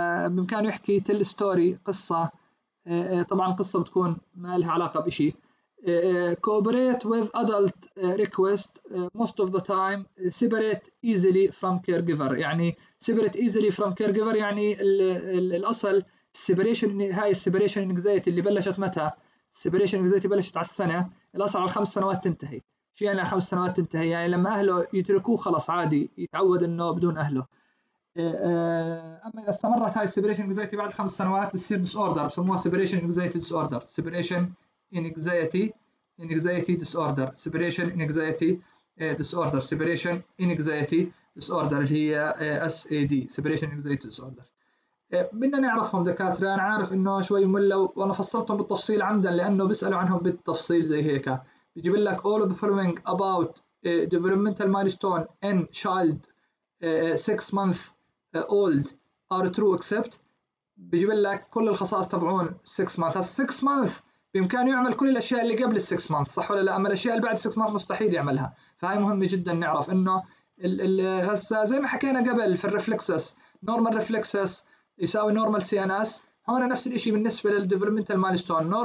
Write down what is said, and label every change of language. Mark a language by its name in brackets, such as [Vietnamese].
[Arabic] بإمكانه يحكي [English] tell story [Arabic] قصة، طبعا قصة بتكون ما لها علاقة بشيء. [English] cooperate with adult request most of the time. separate easily from caregiver، [Arabic] يعني separate easily from caregiver يعني الأصل separation، هاي separation anxiety اللي بلشت متى؟ separation anxiety بلشت على السنة، الأصل على 5 سنوات تنتهي. شو يعني 5 سنوات تنتهي؟ يعني لما أهله يتركوه خلاص عادي يتعود إنه بدون أهله. أما إذا استمرت هاي separation anxiety بعد 5 سنوات بتصير disorder، بسموها separation anxiety disorder. [English] separation anxiety disorder، separation anxiety disorder، separation anxiety disorder اللي هي SAD separation anxiety disorder. [Arabic] بدنا نعرفهم دكاترة، أنا عارف إنه شوي ملة وأنا فصلتهم بالتفصيل عمدا لأنه بيسألوا عنهم بالتفصيل زي هيك. [English] بيجيب لك all of the following about developmental milestone in child 6 months old are true except. [Arabic] بيجيب لك كل الخصائص تبعون 6 months. 6 months بإمكانه يعمل كل الأشياء اللي قبل الـ 6 months صح ولا لا، أما الأشياء اللي بعد 6 months مستحيل يعملها. فهاي مهمة جدا نعرف إنه هسا زي ما حكينا قبل في الرفلكسس normal reflexes يساوي normal CNS، هون نفس الإشي بالنسبة للـ developmental milestone.